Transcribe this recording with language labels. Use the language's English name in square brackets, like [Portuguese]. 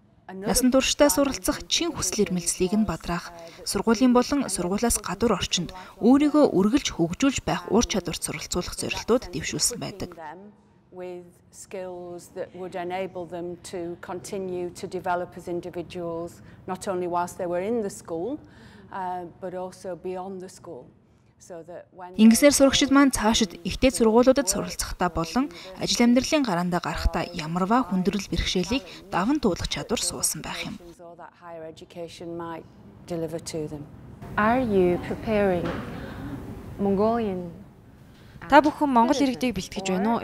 [Mongolian] Насан туршдаа суралцах чин хүсэл эрмэлзлийг нь бадраах, сургуулийн болон сургуулаас гадуур орчинд өөрийгөө үргэлж хөгжүүлж байх ур чадварт суралцуулах зорилтууд дэвшүүлсэн байдаг. [English] Not only whilst they were in the school, but also beyond the school. [Mongolian] Ингэсээр сурагчид маань цаашид ихтэй сургуулиудад суралцахдаа болон ажил амьдралын гарандаа гарахдаа ямарваа хүндрэл бэрхшээлийг даван туулах чадвар суусан байх юм. Та бүхэн Монгол иргэдийг бэлтгэж байна уу?